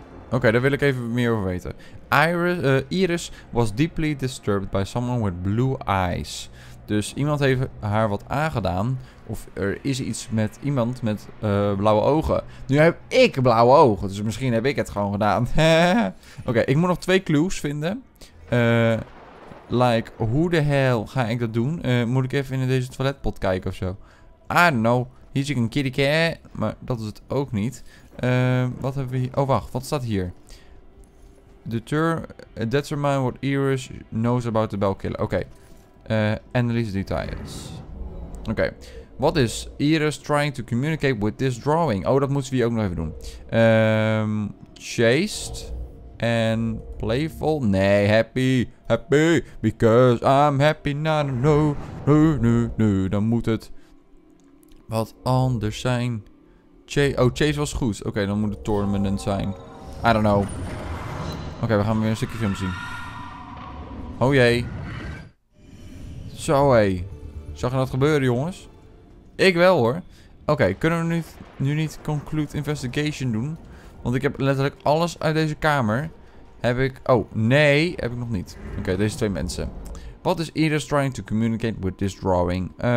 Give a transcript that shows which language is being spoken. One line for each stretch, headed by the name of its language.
Dutch: Oké, daar wil ik even meer over weten.
English: Iris was deeply disturbed by someone with blue eyes.
Dutch: Dus iemand heeft haar wat aangedaan. Of er is iets met iemand met blauwe ogen. Nu heb ik blauwe ogen. Dus misschien heb ik het gewoon gedaan. Oké, ik moet nog twee clues vinden. Like, hoe de hell ga ik dat doen? Moet ik even in deze toiletpot kijken of zo?
English: I don't know.
Dutch: Hier zie ik een kitty cat. Maar dat is het ook niet. Wat hebben we hier? Oh, wacht. Wat staat hier?
English: Determine what Iris knows about the bell killer. Oké. Analyse details. Oké. What is Iris trying to communicate with this drawing?
Dutch: Oh, dat moeten we hier ook nog even doen.
English: Chased. En playful? Nee, happy. Happy. Because I'm happy. No.
Dutch: Dan moet het wat anders zijn. Chase was goed. Oké, dan moet het tournament zijn.
English: I don't know.
Dutch: Oké, we gaan weer een stukje film zien. Oh jee. Zo hé. Hey. Zag je dat gebeuren, jongens? Ik wel hoor. Oké, kunnen we nu niet
English: conclude investigation
Dutch: doen? Want ik heb letterlijk alles uit deze kamer. Heb ik... Oh, nee. Heb ik nog niet. Oké, deze twee mensen.
English: What is Iris trying to communicate with this drawing?